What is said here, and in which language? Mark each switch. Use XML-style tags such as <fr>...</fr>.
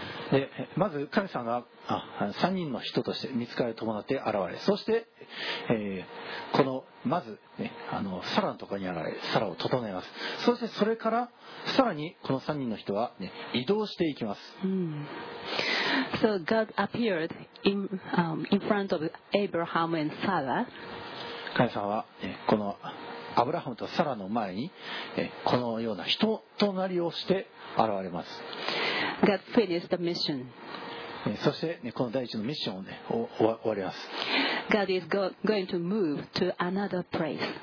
<ja>でまず神様が3人の人として見つかりを伴って現れ、そして、このまず、ね、サラのところに現れ、サラを整えます。そしてそれからさらにこの3人の人は、ね、移動していきます、</ja> <en>So God appeared in front of Abraham and Sarah.</en> <ja>神様は、ね、このアブラハムとサラの前に、このような人となりをして現れます。</ja> <en>God finished the mission.</en> <ja>そして、ね、この第一のミッションを、ね、終わります。</ja> <en>God is going to move to another place.</en>